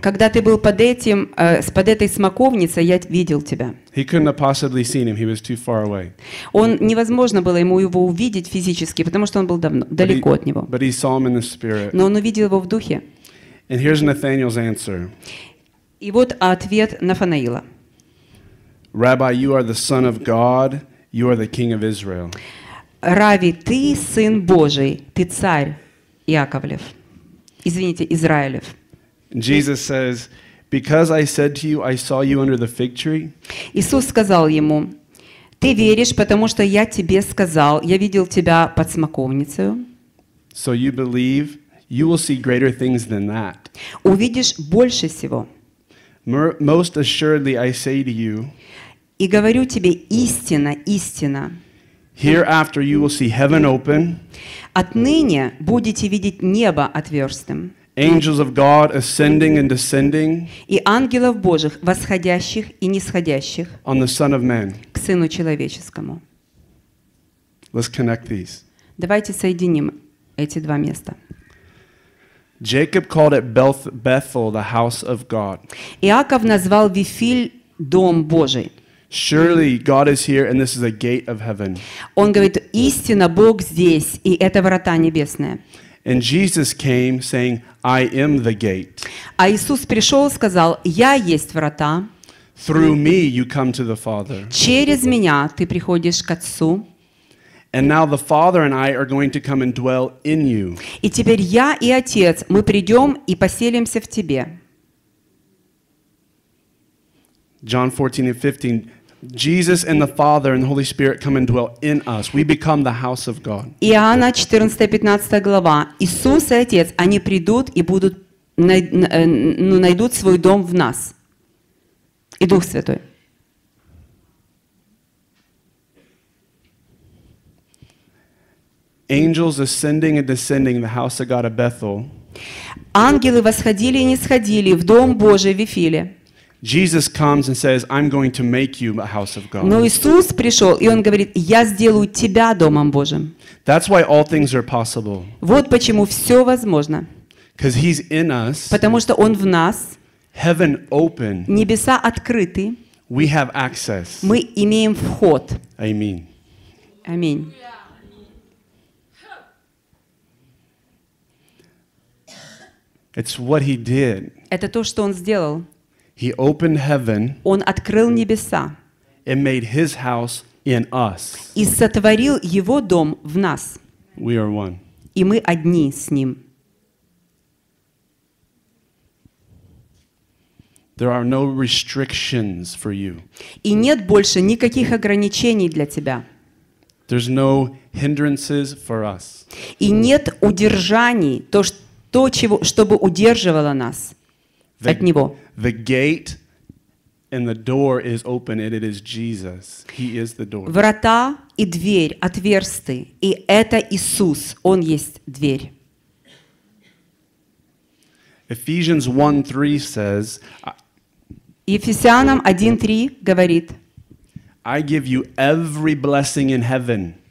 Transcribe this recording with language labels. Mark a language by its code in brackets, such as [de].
[ru] Когда ты был под этим, под этой смоковницей, я видел тебя. [en] He couldn't have possibly seen him. He was too far away. [ru] Он невозможно было ему его увидеть физически, потому что он был давно, далеко от него. [en] But he saw him in the spirit. [ru] Но он увидел его в духе. [en] And here's Nathanael's answer. [ru] И вот ответ Нафанаила. [en] Rabbi, you are the Son of God. You are the King of Israel. [ru] Рави, ты сын Божий, ты царь Иаковлев. Извините, Израилев. [en] Jesus says, "Because I said to you, I saw you under the fig tree." [ru] Иисус сказал ему: ты веришь, потому что я тебе сказал, я видел тебя под смоковницей. [en] So you believe, you will see greater things than that. [ru] Увидишь больше всего. [en] Most assuredly I say to you. [ru] И говорю тебе истинно, истинно. [en] Hereafter you will see heaven open. [ru] Отныне будете видеть небо отверстым. [en] Angels of God ascending and descending. [ru] И ангелов Божьих восходящих и нисходящих. [en] On the Son of Man. [ru] К Сыну человеческому. [en] Let's connect these. [ru] Давайте соединим эти два места. [en] Jacob called it Bethel, the house of God. [ru] Иаков назвал Вифиль дом Божий. [en] Surely God is here, and this is a gate of heaven. [ru] Он говорит: истинно Бог здесь, и это врата небесные. [en] And Jesus came, saying, "I am the gate." [ru] А Иисус пришел и сказал: я есть врата. [en] Through me you come to the Father. [ru] Через меня ты приходишь к Отцу. [en] And now the Father and I are going to come and dwell in you. [ru] И теперь я и Отец, мы придем и поселимся в тебе. [en] John 14 and 15, Jesus and the Father and the Holy Spirit come and dwell in us. We become the house of God. [ru] Иоанна 14:15 глава. Иисус и Отец, они придут и будут найдут свой дом в нас. И Дух Святой. [en] Angels ascending and descending the house of God at Bethel. [ru] Ангелы восходили и нисходили в дом Божий в Вифиле. [en] Jesus comes and says, "I'm going to make you a house of God." [ru] Но Иисус пришел и он говорит: я сделаю тебя домом Божьим. [en] That's why all things are possible. [ru] Вот почему все возможно. [en] Because He's in us. [ru] Потому что Он в нас. [en] Heaven open. [ru] Небеса открыты. [en] We have access. [ru] Мы имеем вход. [en] Amen. Amen. It's what He did. [ru] Это то, что Он сделал. [en] He opened heaven. [ru] Он открыл небеса. [en] And made His house in us. [ru] И сотворил Его дом в нас. [en] We are one. [ru] И мы одни с Ним. [en] There are no restrictions for you. [ru] И нет больше никаких ограничений для тебя. [en] There's no hindrances for us. [ru] И нет удержаний, чтобы удерживало нас. От Него. [en] The gate and the door is open, and it is Jesus. He is the door. [ru] Врата и дверь, отверстия, и это Иисус. Он есть дверь. [en] Ephesians 1:3 says. [ru] Ефесянам 1:3 говорит. [en] I give you every blessing in heaven.